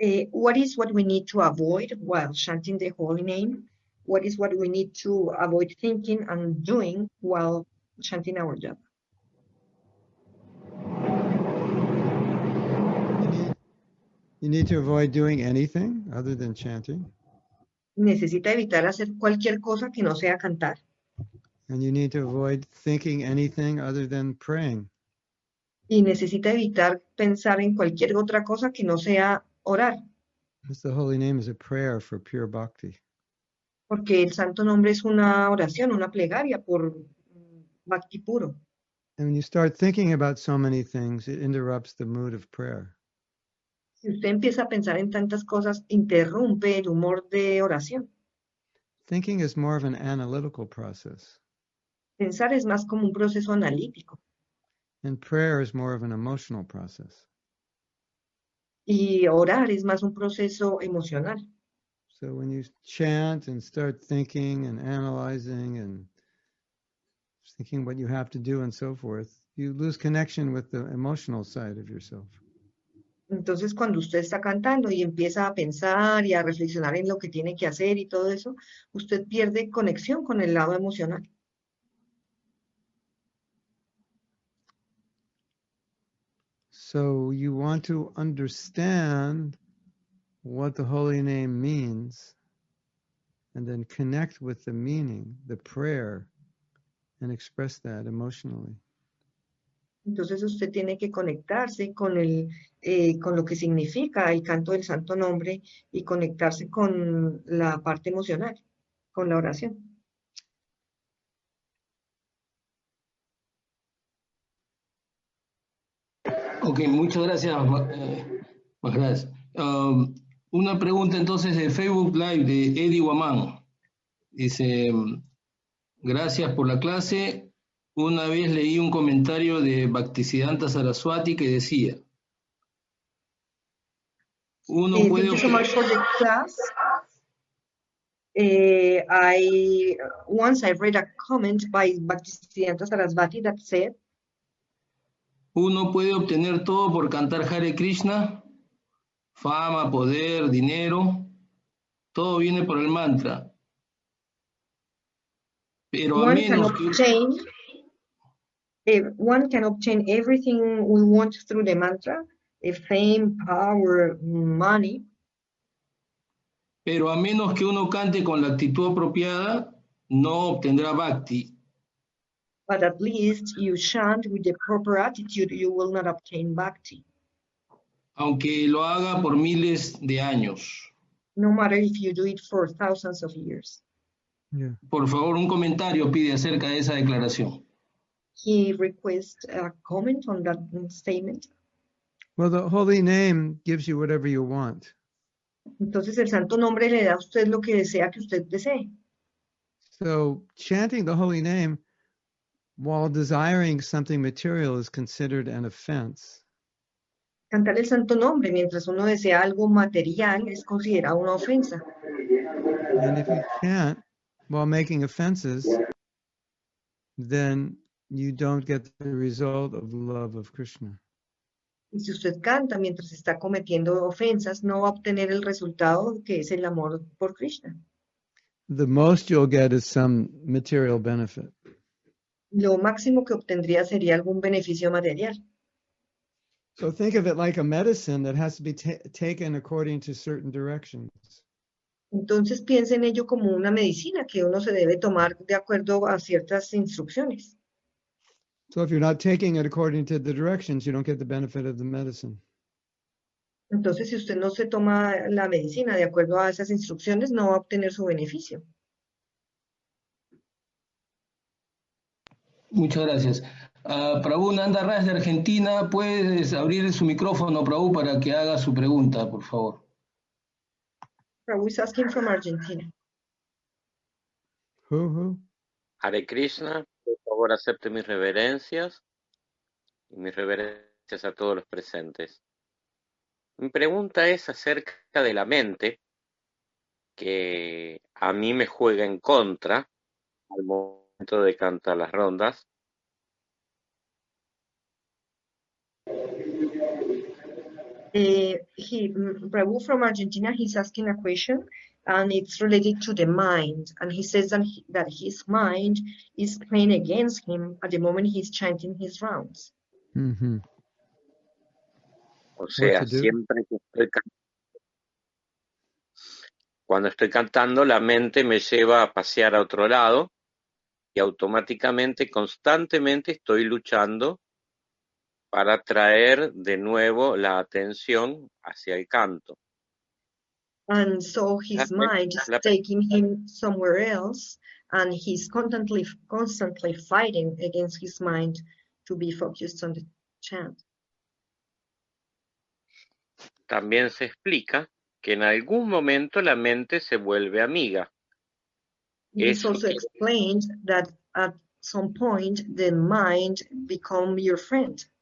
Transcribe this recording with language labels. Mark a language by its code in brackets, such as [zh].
[en] What is what we need to avoid while chanting the holy name? What is what we need to avoid thinking and doing while chanting our japa? You need to avoid doing anything other than chanting. [es] Necesita evitar hacer cualquier cosa que no sea cantar. [en] And you need to avoid thinking anything other than praying. [es] Y necesita evitar pensar en cualquier otra cosa que no sea orar. [en] Because the holy name is a prayer for pure bhakti. [es] Porque el santo nombre es una oración, una plegaria por bhakti puro. [en] And when you start thinking about so many things, it interrupts the mood of prayer. [es] Si usted empieza a pensar en tantas cosas, interrumpe el humor de oración. [en] Thinking is more of an analytical process. [es] Pensar es más como un proceso analítico. [en] And prayer is more of an emotional process. [es] Y orar es más un proceso emocional. [en] So when you chant and start thinking and analyzing and thinking what you have to do and so forth, you lose connection with the emotional side of yourself. [es] Entonces, cuando usted está cantando y empieza a pensar y a reflexionar en lo que tiene que hacer y todo eso, usted pierde conexión con el lado emocional. [en] So you want to understand what the holy name means and then connect with the meaning, the prayer, and express that emotionally. [es] Entonces usted tiene que conectarse con con lo que significa el canto del santo nombre y conectarse con la parte emocional, con la oración. Ok, muchas gracias. Una pregunta entonces de Facebook Live de Eddie Guamán. Dice, gracias por la clase. Una vez leí un comentario de Bhaktisiddhanta Saraswati que decía, uno puede [en] Thank you so [es] obtener. [en] much for the class. I once I read a comment by Bhaktisiddhanta Sarasvati that said, [es] Uno puede obtener todo por cantar Hare Krishna, fama, poder, dinero, todo viene por el mantra. Pero a [en] one can [es] menos que. [en] obtain one can obtain everything we want through the mantra. If fame, power, money. [es] Pero a menos que uno cante con la actitud apropiada, no obtendrá bhakti. [en] But at least you chant with the proper attitude, you will not obtain bhakti. [es] Aunque lo haga por miles de años. [en] No matter if you do it for thousands of years. [es] Por favor, un comentario pide acerca de esa declaración. [en] He requests a comment on that statement. Well, the holy name gives you whatever you want. [es] Entonces el santo nombre le da a usted lo que desea que usted desee. [en] So chanting the holy name while desiring something material is considered an offense. [es] Cantar el santo nombre mientras uno desea algo material es considerado una ofensa. [en] And if you chant while making offenses, then you don't get the result of love of Krishna. [es] Y si usted canta mientras está cometiendo ofensas, no va a obtener el resultado que es el amor por Krishna. [en] The most you'll get is some material benefit. [es] Lo máximo que obtendría sería algún beneficio material. [en] So think of it like a medicine that has to be taken according to certain directions. [es] Entonces piense en ello como una medicina que uno se debe tomar de acuerdo a ciertas instrucciones. [en] So if you're not taking it according to the directions, you don't get the benefit of the medicine. [es] Entonces, si usted no se toma la medicina de acuerdo a esas instrucciones, no va a obtener su beneficio. Muchas gracias. Prabhu Nanda Raj de Argentina, ¿puedes abrir su micrófono, Prabhu, para que haga su pregunta, por favor? [en] Prabhu is asking from Argentina. Uh-huh. [es] Hare Krishna, por favor acepte mis reverencias y mis reverencias a todos los presentes. Mi pregunta es acerca de la mente, que a mí me juega en contra al momento de cantar las rondas. [en] Prabhu from Argentina, he's asking a question, and it's related to the mind. And he says that, that his mind is playing against him at the moment he's chanting his rounds. Mm-hmm. [es] O sea, siempre que estoy cantando, cuando estoy cantando, la mente me lleva a pasear a otro lado y automáticamente, constantemente estoy luchando para traer de nuevo la atención hacia el canto. [en] And so his mind is taking him somewhere else and he's constantly fighting against his mind to be focused on the chant. [es] También se explica que en algún momento la mente se vuelve amiga. [en] It's also explained that at some point the mind become your friend.